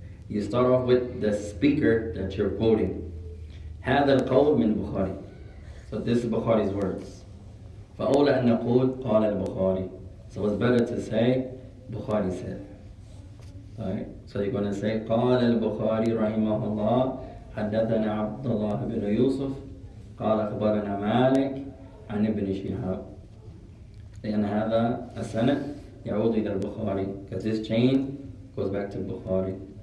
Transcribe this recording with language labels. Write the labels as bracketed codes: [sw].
[en] You start off with the speaker that you're quoting. [ar] هذا القول من بخاري. [en] So this is Bukhari's words. [ar] فأولى أن نقول قال البخاري. [en] So it's better to say Bukhari said. Alright. So you're gonna say [ar] قال البخاري رحمه الله حدثنا عبد الله بن يوسف. قال أخبرنا مالك عن ابن شهاب لأن هذا السند يعود إلى البخاري [en] because this chain goes back to [ar] البخاري.